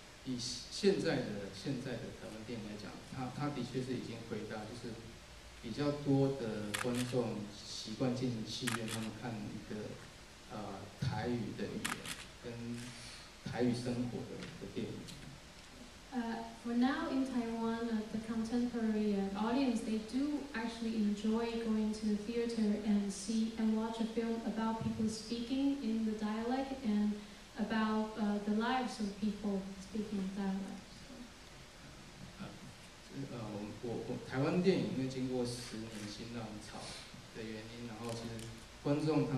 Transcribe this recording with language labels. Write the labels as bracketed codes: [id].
[en] Do you see a revival of Taiwanese language film? Are you working with it for the revival movement? Are you seeing how the film, Taiwanese language film, becoming popular? [zh] 台语的语言跟台语生活的电影。 [en] For now in Taiwan, the contemporary audience, they do actually enjoy going to the theater and see and watch a film about people speaking in the dialect and about the lives of people speaking dialect. [zh] 台湾电影因为经过10年新浪潮的原因，然后其实